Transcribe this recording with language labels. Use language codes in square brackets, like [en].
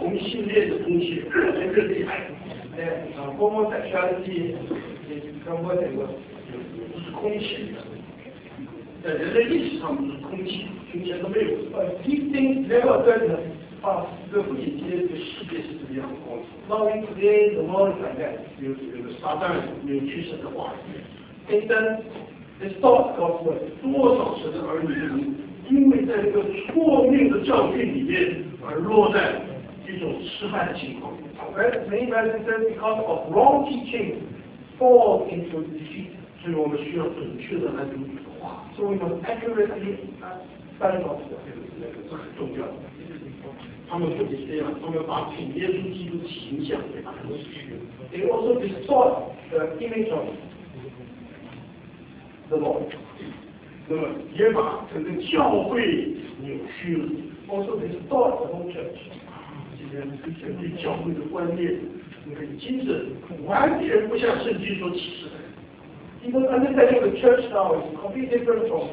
[zh] 同性恋的东西越来越厉害。 [en] That homosexuality is completely wrong. [zh] 不是空气。在人类历史上不是空气，空气都没有。 [en] These things never occurred in the past。 [zh] 这不仅仅这个世界是这个样子。 [en] Not only today, the world is like that。 [zh] 有撒旦扭曲神的话语。 [en] Satan distorts God's word。 [zh] 多少神的儿女们，因为在这个错谬的教训里面而落在一种失败的情况。 [en] Many Christians, because of wrong teaching, fall into defeat。 [zh] 所以我们需要准确的来读。 [en] So we must accurately study God's word. [zh] 这是很重要的。他们不仅这样，他们把主耶稣基督的形象给扭曲了。 [en] They also distort the image of the Lord. [zh] 那么也把整个教会扭曲了。 [en] Also distort the whole church. [zh] 今天这些对教会的观念、那个精神，完全不像圣经所启示的。 [en] Even understanding the church now is completely different from